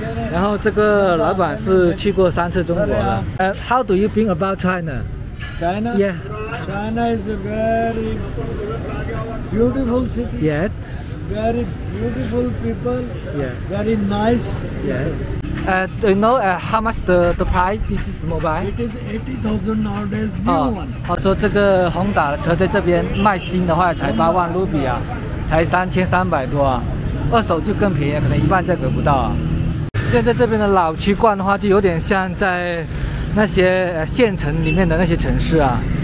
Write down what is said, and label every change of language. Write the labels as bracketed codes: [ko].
[zh] 然后这个老板是去过3次中国了。 [en] How do you think about China? China? Yeah. China is a very beautiful city. Yes. Very beautiful people. Yeah. Very nice. Yes. Do you know how much the price this is mobile? It is 80,000 nowadays, new one. [zh] 说这个宏达的车在这边卖新的话才8万卢比啊，才3300多啊。二手就更便宜，可能一半价格不到啊。现在这边的老区逛的话，就有点像在那些县城里面的那些城市啊。